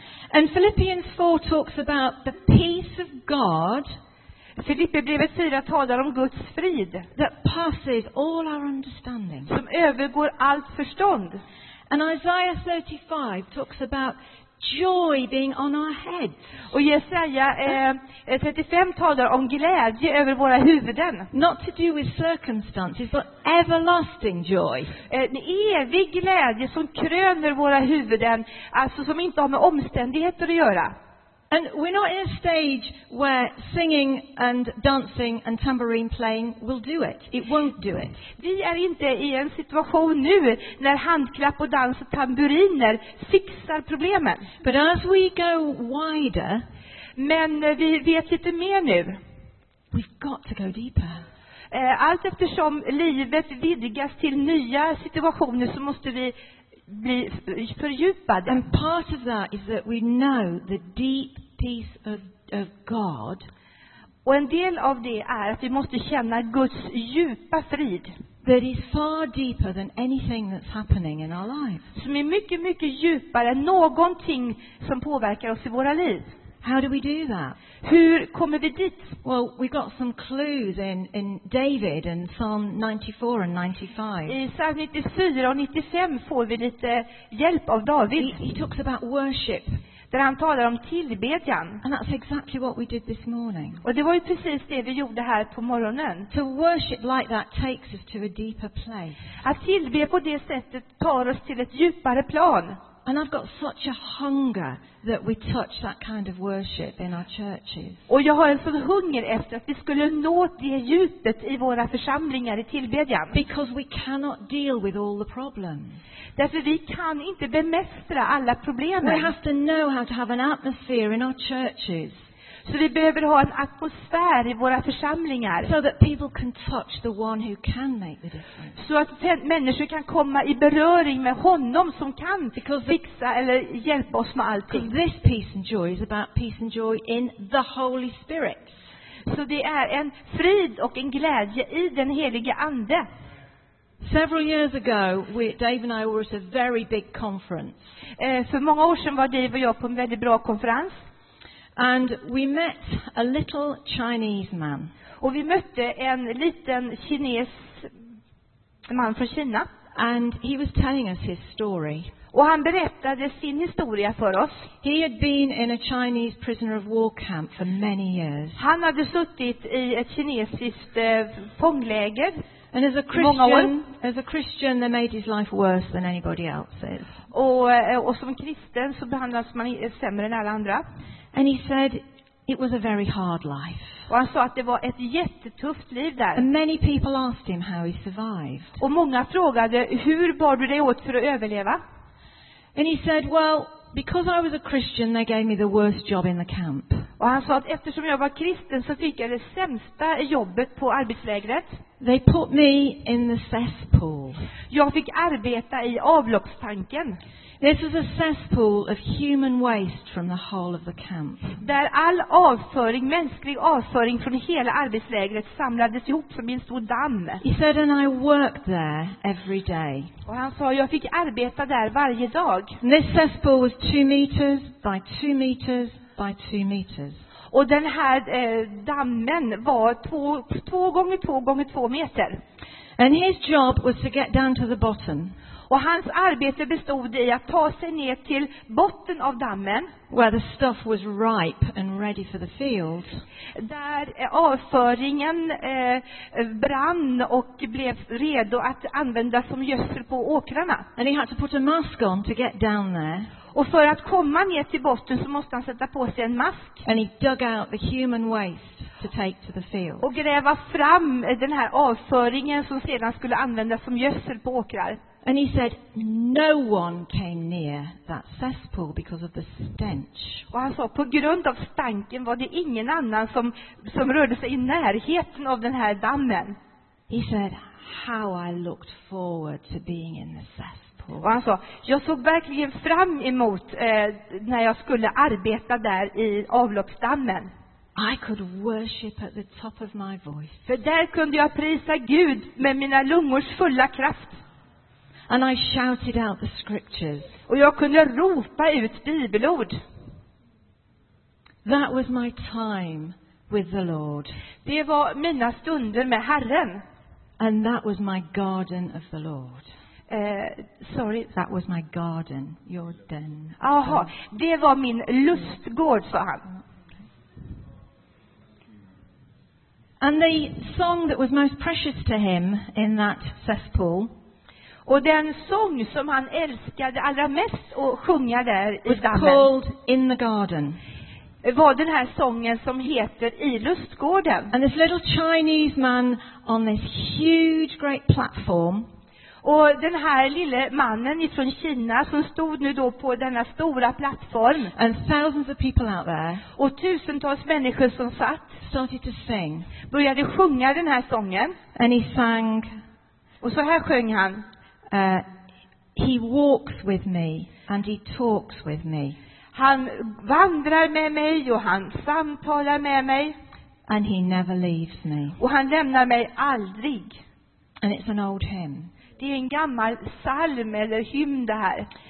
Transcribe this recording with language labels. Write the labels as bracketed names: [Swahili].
[English] And Philippians 4 talks about the peace of God. [Swedish] Filipperbrevet 4 talar om Guds frid. [English] That passes all our understanding. [Swedish] Som övergår allt förstånd. [English] And Isaiah 35 talks about joy being on our heads. [Swedish] Och Jesaja 35 talar om glädje över våra huvuden. [English] Not to do with circumstances, but everlasting joy. [Swedish] En evig glädje som kröner våra huvuden, alltså som inte har med omständigheter att göra. [English] And we're not in a stage where singing and dancing and tambourine playing will do it. It won't do it. [Swedish] Vi är inte i en situation nu när handklapp och dans och tamburiner fixar problemet. [English] But as we go wider, [Swedish] men vi vet lite mer nu. [English] We've got to go deeper. [Swedish] Allt eftersom livet vidgas till nya situationer så måste vi bli fördjupad. [English] And part of that is that we know the deep peace of God. [Swedish] Och en del av det är att vi måste känna Guds djupa frid. [English] That is far deeper than anything that's happening in our lives. [Swedish] Som är mycket mycket djupare än någonting som påverkar oss i våra liv. [English] How do we do that? [Swedish] Hur kommer vi dit? [English] Well, we got some clues in David and Psalm 94 and 95. [Swedish] I Psalm 94 och 95 får vi lite hjälp av David. [English] He talks about worship. [Swedish] Där han talar om tillbedjan. [English] And that's exactly what we did this morning. [Swedish] Och det var ju precis det vi gjorde här på morgonen. [English] To worship like that takes us to a deeper place. [Swedish] Att tillbe på det sättet tar oss till ett djupare plan. [English] And I've got such a hunger that we touch that kind of worship in our churches. [Swedish] Och jag har en sån hunger efter att vi skulle nå det djupet i våra församlingar i tillbedjan. [English] Because we cannot deal with all the problems. [Swedish] Därför vi kan inte bemästra alla problemen. [English] We have to know how to have an atmosphere in our churches. [Swedish] Så vi behöver ha en atmosfär i våra församlingar. [English] So that people can touch the one who can make the difference. [Swedish] Så att människor kan komma i beröring med honom som kan fixa eller hjälpa oss med allting. [English] This peace and joy is about peace and joy in the Holy Spirit. [Swedish] Så det är en frid och en glädje i den helige ande. [English] Several years ago, Dave and I were at a very big conference. [Swedish] För många år sedan var Dave och jag på en väldigt bra konferens. [English] And we met a little Chinese man. [Swedish] Och vi mötte en liten kines man från Kina. [English] And he was telling us his story. [Swedish] Och han berättade sin historia för oss. [English] He had been in a Chinese prisoner of war camp for many years. [Swedish] Han hade suttit i ett kinesiskt fångläger. [English] And as a Christian, they made his life worse than anybody else's. [Swedish] Och som kristen så behandlas man sämre än alla andra. [English] And he said it was a very hard life. [Swedish] Och han sa att det var ett jättetufft liv där. [English] And many people asked him how he survived. [Swedish] Och många frågade hur bar du dig åt för att överleva? [English] And he said, well, because I was a Christian, they gave me the worst job in the camp. [Swedish] Och han sa att eftersom jag var kristen så fick jag det sämsta jobbet på arbetslägret. [English] They put me in the cesspool. [Swedish] Jag fick arbeta i avloppstanken. [English] This was a cesspool of human waste from the whole of the camp. [Swedish] Där all avföring, mänsklig avföring från hela arbetslägret samlades ihop som en stor damm. [English] He said, and I worked there every day. [Swedish] Och han sa, jag fick arbeta där varje dag. [English] And this cesspool was 2 meters by 2 meters by 2 meters. [Swedish] Och den här dammen var 2 gånger 2 gånger 2 meter. [English] And his job was to get down to the bottom. [Swedish] Och hans arbete bestod i att ta sig ner till botten av dammen. [English] Where the stuff was ripe and ready for the field. [Swedish] Där avföringen brann och blev redo att användas som gödsel på åkrarna. [English] And he had to put a mask on to get down there. [Swedish] Och för att komma ner till botten så måste han sätta på sig en mask. [English] And he dug out the human waste to take to the field. [Swedish] Och gräva fram den här avföringen som sedan skulle användas som gödsel på åkrar. [English] And he said no one came near that cesspool because of the stench. [Swedish] Och han sa, på grund av stanken var det ingen annan som rörde sig i närheten av den här dammen. [English] He said how I looked forward to being in the cesspool. [Swedish] Och han sa, jag såg verkligen fram emot när jag skulle arbeta där i avloppsdammen. [English] I could worship at the top of my voice. [Swedish] För där kunde jag prisa Gud med mina lungors fulla kraft. [English] And I shouted out the scriptures. [Swedish] Och jag kunde ropa ut bibelord. [English] That was my time with the Lord. [Swedish] Det var mina stunder med Herren. [English] And that was my garden of the Lord. Sorry, that was my garden, your den. [Swedish] Aha, det var min lustgård, sa han. [English] And the song that was most precious to him in that cesspool. [Swedish] Och den sång som han älskade allra mest att sjunga där i dammen. [English] Was called In the Garden. [Swedish] Var den här sången som heter I lustgården. [English] And this little Chinese man on this huge great platform. [Swedish] Och den här lille mannen ifrån Kina som stod nu då på denna stora plattform. [English] And thousands of people out there. [Swedish] Och tusentals människor som satt. [English] Started to sing. [Swedish] Började sjunga den här sången. [English] And he sang. [Swedish] Och så här sjöng han. [English] He walks with me and he talks with me. [Swedish] Han vandrar med mig och han samtalar med mig. [English] And he never leaves me. [Swedish] Och han lämnar mig aldrig. [English] And it's an old hymn. [Swedish] Det är en gammal psalm eller hymn det här.